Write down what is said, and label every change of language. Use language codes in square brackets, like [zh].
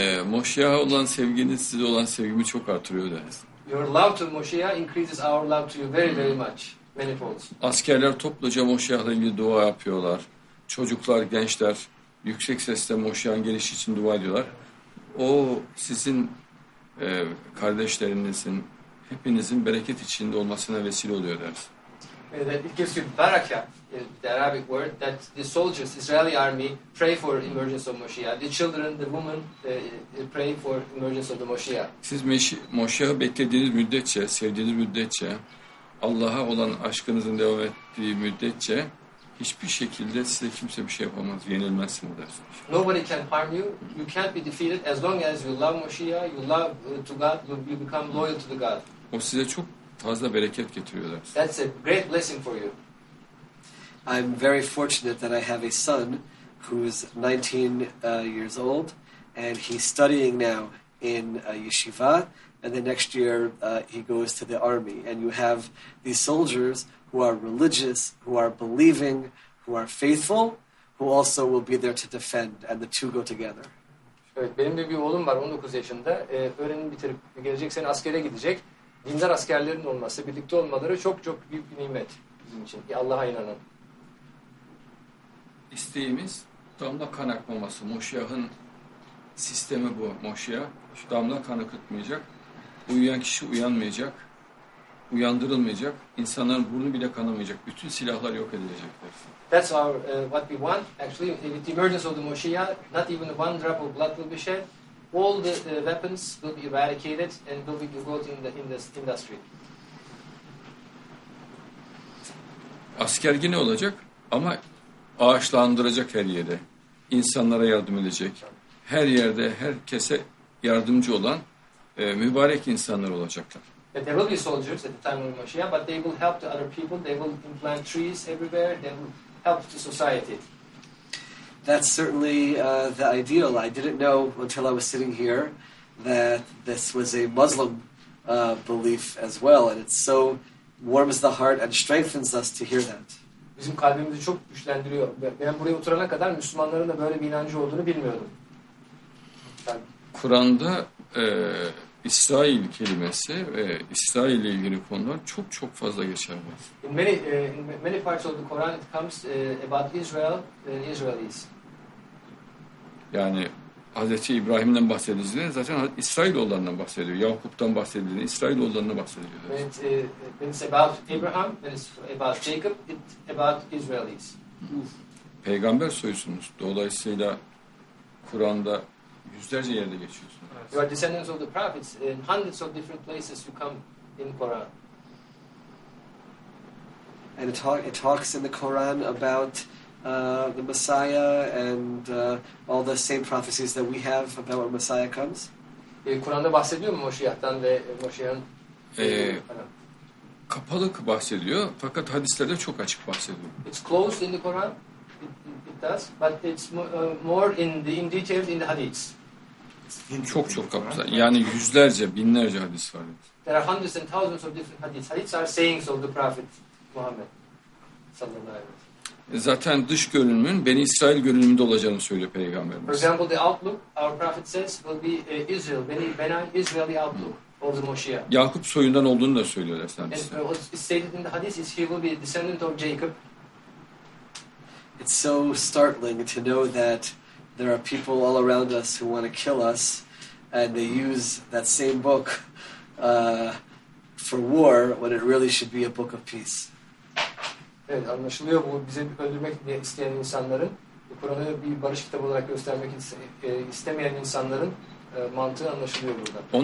[tr] Moşiyah'a olan sevginiz size olan sevgimi çok artırıyor deriz. [en] Your love to Moşiyah increases our love to you very very much. Manifold. [tr] Askerler topluca Moşiyah'la ilgili dua yapıyorlar. Çocuklar, gençler yüksek sesle Moşiyah'ın gelişi için dua ediyorlar. O sizin kardeşlerinizin, hepinizin bereket içinde olmasına vesile oluyor deriz. [en] That it gives you baraka, the Arabic word, that the soldiers, Israeli army, pray for emergence of Moshiach. The children, the women, pray for emergence of the Moshiach. [tr] Siz Moshiach'ı beklediğiniz müddetçe, sevdiğiniz müddetçe, Allah'a olan aşkınızın devam ettiği müddetçe, hiçbir şekilde size kimse bir şey yapamaz, yenilmezsiniz dersiniz. [en] Nobody can harm you. You can't be defeated as long as you love Moshiach, you love to God, you become loyal to the God. [tr] O size çok fazla bereket getiriyor dersiniz. [en] That's a great blessing for you. I'm very fortunate that I have a son who's 19 years old and he's studying now in yeshiva, and the next year he goes to the army, and you have these soldiers who are religious, who are believing, who are faithful, who also will be there to defend, and the two go together. [tr] Evet, benim de bir oğlum var, 19 yaşında. Öğrenimi bitirip gelecek sene askere gidecek. Dindar askerlerin olması, birlikte olmaları çok çok büyük bir nimet bizim için. Allah'a inanın. isteğimiz damla kan akmaması. Moşiyah'ın sistemi bu. Moşiyah şu damla kan akıtmayacak. Uyuyan kişi uyanmayacak. Uyandırılmayacak. İnsanların burnu bile kanamayacak. Bütün silahlar yok edilecekler. [en] That's our what we want. Actually, with the emergence of the Moshiach, not even one drop of blood will be shed. All the weapons will be eradicated and will be devoted in the industry. [tr] Asker yine olacak ama ağaçlandıracak her yere. İnsanlara yardım edecek. Her yerde herkese yardımcı olan mübarek insanlar olacaklar. [en] But there will be soldiers at the time of the Moshiach, but they will help to other people. They will implant trees everywhere. They will help to society. That's certainly the ideal. I didn't know until I was sitting here that this was a Muslim belief as well. And it so warms the heart and strengthens us to hear that. [tr] Bizim kalbimizi çok güçlendiriyor. Ben buraya oturana kadar Müslümanların da böyle bir inancı olduğunu bilmiyordum. Kur'an'da İsrail kelimesi ve İsrail ile ilgili konular çok çok fazla geçer. [en] In many parts of the Quran it comes about Israel and Israelis. [tr] Yani Hazreti İbrahim'den bahsedildiğinde zaten İsrail oğullarından bahsediyor. Yakup'tan bahsedildiğinde İsrail oğullarından bahsediliyor. [en] When it's about Abraham, when it's about Jacob, it's about Israelis. [tr] Peygamber soyusunuz. Dolayısıyla Kur'an'da yüzlerce yerde geçiyorsunuz. [en] You are descendants of the prophets. In hundreds of different places you come in Quran. And it talks in the Quran about the Messiah and all the same prophecies that we have about when Messiah comes. [tr] Kur'an'da bahsediyor mu Moşiyah'tan ve Moşiyah'ın? Kapalık bahsediyor fakat hadislerde çok açık bahsediyor. [en] It's closed in the Quran. It does. But it's more in detail in the hadiths. [tr] Çok çok kapsam. Yani yüzlerce, binlerce hadis var. [en] There are hundreds and thousands of different hadiths. Hadiths are sayings of the Prophet Muhammed. [tr] Zaten dış görünümün Beni İsrail görünümünde olacağını söylüyor Peygamberimiz. [en] For example, the outlook our Prophet says will be Israel, Beni Israeli outlook of the Moshiach. [tr] Yakup soyundan olduğunu da söylüyor hadisler. [en] And what's stated in the hadith is he will be a descendant of Jacob. It's so startling to know that there are people all around us who want to kill us, and they use that same book for war when it really should be a book of peace. [tr] Evet, anlaşılıyor bu bize öldürmek isteyen insanların Kur'an'ı bir barış kitabı olarak göstermek istemeyen insanların mantığı anlaşılıyor burada.